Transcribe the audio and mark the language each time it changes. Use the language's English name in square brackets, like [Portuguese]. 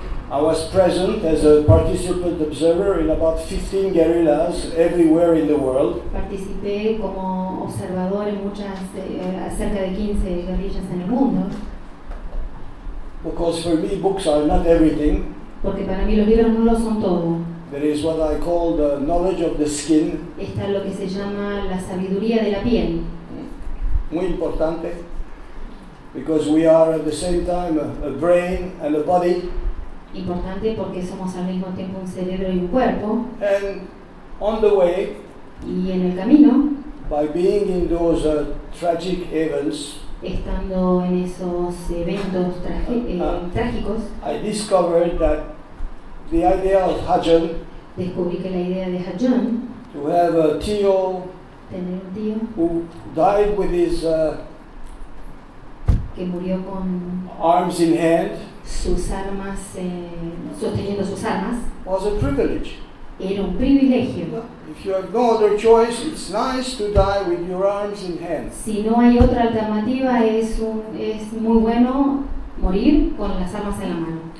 [English] I was present as a participant observer in about 15 guerrillas everywhere in the world. [Spanish] Participé como observador en muchas cerca de 15 guerrillas en el mundo. [English] Because for me, books are not everything. [Spanish] Porque para mí los libros no lo son todo. [English] There is what I call the knowledge of the skin. [Spanish] Está lo que se llama la sabiduría de la piel. Muy importante, [English] because we are at the same time a brain and a body. [Spanish] Importante porque somos al mismo tiempo un cerebro y un cuerpo. [English] And on the way, [Spanish] y en el camino, [English] by being in those tragic events, [Spanish] estando en esos eventos trágicos, [English] I discovered that the idea of Hajjan, [Spanish] descubrí que la idea de Hajjan, [English] to have a tío, [Spanish] tener un tío [English] who died with his [Spanish] que murió con [English] arms in hand, [Spanish] sus armas, sosteniendo sus armas, [English] was a privilege. [Spanish] Era un privilegio. [English] If you have no other choice, it's nice to die with your arms and hands. [Spanish] Si no hay otra alternativa, es muy bueno morir con las armas en la mano.